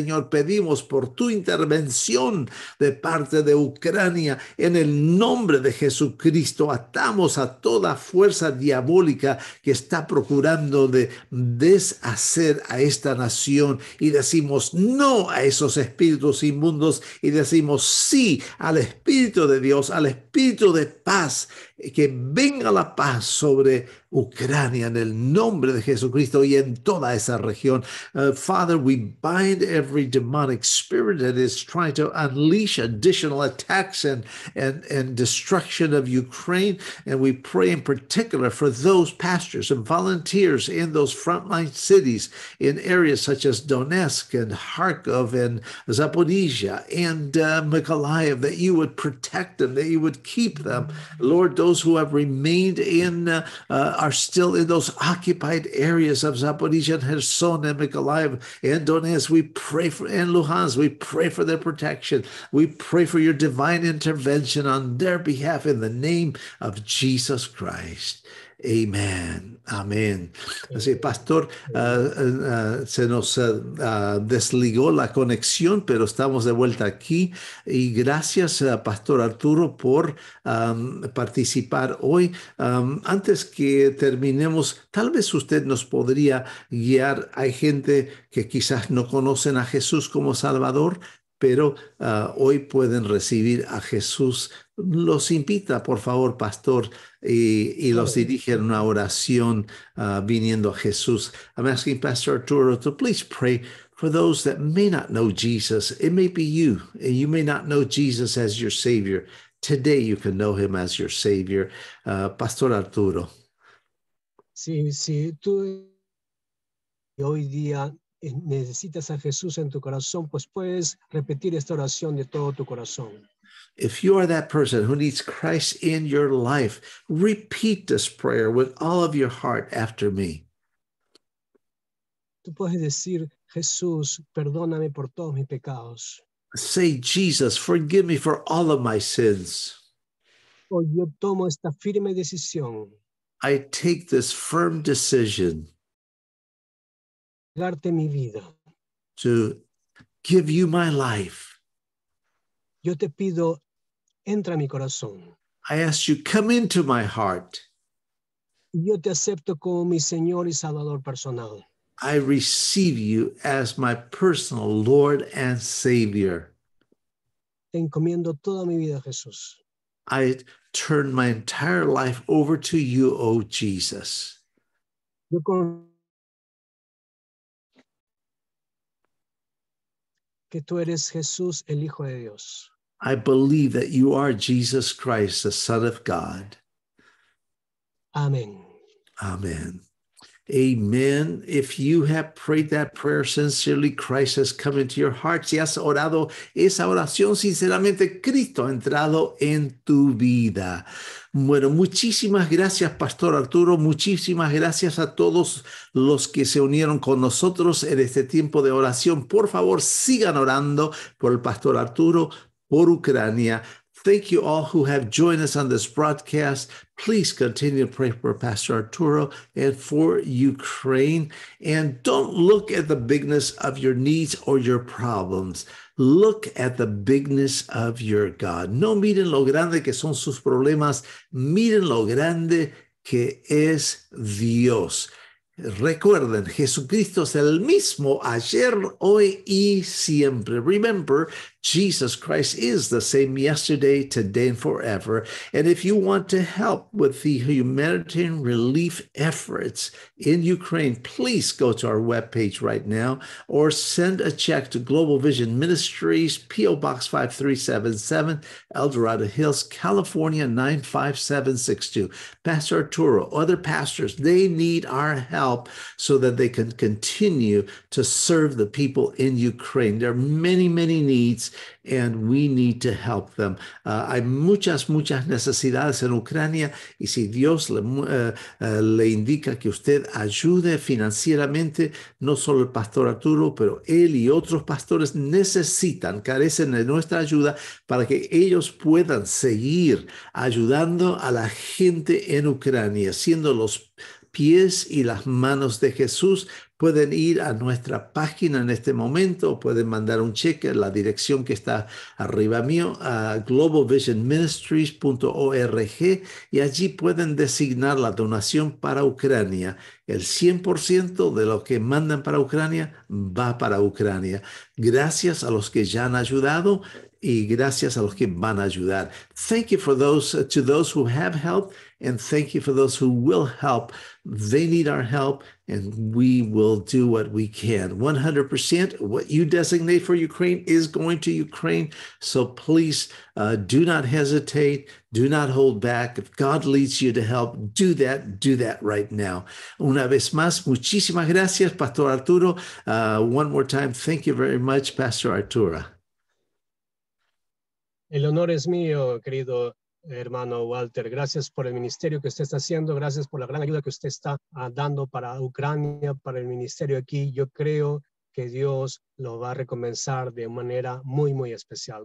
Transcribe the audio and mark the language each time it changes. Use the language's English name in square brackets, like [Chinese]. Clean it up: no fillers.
[Spanish] Señor, pedimos por tu intervención de parte de Ucrania, en el nombre de Jesucristo, atamos a toda fuerza diabólica que está procurando de deshacer a esta nación y decimos no a esos espíritus inmundos y decimos sí al Espíritu de Dios, al Espíritu de paz, que venga la paz sobre Ucrania en el nombre de Jesucristo y en toda esa región. [English] Father, we bind every demonic spirit that is trying to unleash additional attacks and destruction of Ukraine. And we pray in particular for those pastors and volunteers in those frontline cities in areas such as Donetsk and Kharkov and Zaporizhia and Mykolaiv, that you would protect them, that you would keep them. Lord, those who have remained in are still in those occupied areas of Zaporizhia and Kherson and Mykolaiv and Donetsk. We pray for, and Luhansk, we pray for their protection. We pray for your divine intervention on their behalf in the name of Jesus Christ. Amen. Amén. [Spanish] Así, pastor, se nos desligó la conexión, pero estamos de vuelta aquí. Y gracias, pastor Arturo, por participar hoy. Antes que terminemos, tal vez usted nos podría guiar. Hay gente que quizás no conocen a Jesús como Salvador, pero hoy pueden recibir a Jesús. Los invita, por favor, pastor, y los dirige en una oración viniendo a Jesús. [English] I'm asking Pastor Arturo to please pray for those that may not know Jesus. It may be you, and you may not know Jesus as your Savior. Today you can know him as your Savior. Pastor Arturo. [Spanish] Sí, sí, tú hoy día necesitas a Jesús en tu corazón, pues puedes repetir esta oración de todo tu corazón. [English] If you are that person who needs Christ in your life, repeat this prayer with all of your heart after me. [Spanish] Tú puedes decir, Jesús, perdóname por todos mis pecados. [English] Say, Jesus, forgive me for all of my sins. [Spanish] Hoy yo tomo esta firme decisión. [English] I take this firm decision [Spanish] darte mi vida. [English] To give you my life. [Spanish] Yo te pido, entra a mi corazón. [English] I ask you, come into my heart. [Spanish] Yo te acepto como mi Señor y Salvador personal. [English] I receive you as my personal Lord and Savior. [Spanish] Te encomiendo toda mi vida, Jesús. [English] I turn my entire life over to you, oh Jesus. [Spanish] Que tú eres Jesús, el Hijo de Dios. [English] I believe that you are Jesus Christ, the Son of God. Amen. Amen. Amen. If you have prayed that prayer sincerely, Christ has come into your heart. [Spanish] Si has orado esa oración sinceramente, Cristo ha entrado en tu vida. Bueno, muchísimas gracias, Pastor Arturo. Muchísimas gracias a todos los que se unieron con nosotros en este tiempo de oración. Por favor, sigan orando por el Pastor Arturo, por Ucrania. [English] Thank you all who have joined us on this broadcast. Please continue to pray for Pastor Arturo and for Ukraine. And don't look at the bigness of your needs or your problems. Look at the bigness of your God. [Spanish] No miren lo grande que son sus problemas. Miren lo grande que es Dios. Recuerden, Jesucristo es el mismo ayer, hoy y siempre. [English] Remember, Jesus Christ is the same yesterday, today, and forever. And if you want to help with the humanitarian relief efforts in Ukraine, please go to our webpage right now or send a check to Global Vision Ministries, P.O. Box 5377, El Dorado Hills, California 95762. Pastor Arturo, other pastors, they need our help so that they can continue to serve the people in Ukraine. There are many, many needs, and we need to help them. [Spanish] Hay muchas, muchas necesidades en Ucrania, y si Dios le indica que usted ayude financieramente, no solo el pastor Arturo, pero él y otros pastores necesitan, carecen de nuestra ayuda para que ellos puedan seguir ayudando a la gente en Ucrania, siendo los pies y las manos de Jesús. Pueden ir a nuestra página en este momento, pueden mandar un cheque a la dirección que está arriba mío, a globalvisionministries.org, y allí pueden designar la donación para Ucrania. El 100% de lo que mandan para Ucrania va para Ucrania. Gracias a los que ya han ayudado y gracias a los que van a ayudar. [English] Thank you for those, to those who have helped, and thank you for those who will help. They need our help, and we will do what we can. 100% what you designate for Ukraine is going to Ukraine. So please do not hesitate. Do not hold back. If God leads you to help, do that right now. [Spanish] Una vez más, muchísimas gracias, Pastor Arturo. [English] One more time, thank you very much, Pastor Arturo. [Spanish] El honor es mío, querido hermano Walter. Gracias por el ministerio que usted está haciendo. Gracias por la gran ayuda que usted está dando para Ucrania, para el ministerio aquí. Yo creo que Dios lo va a recompensar de manera muy, muy especial.